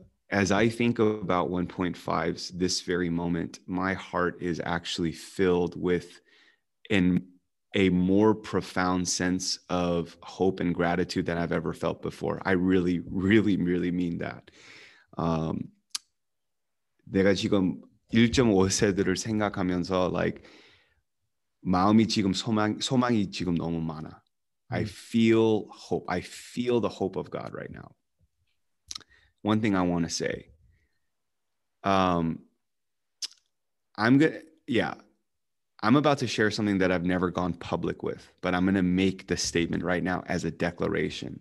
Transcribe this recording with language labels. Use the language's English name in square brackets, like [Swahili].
[English] As I think about 1.5s, this very moment, my heart is actually filled with a more profound sense of hope and gratitude than I've ever felt before. I really, really, really mean that. [Korean] 내가 지금 1.5세대를 생각하면서 like 마음이 지금 소망이 지금 너무 많아. [English] I feel hope. I feel the hope of God right now. One thing I want to say. I'm about to share something that I've never gone public with, but I'm going to make the statement right now as a declaration.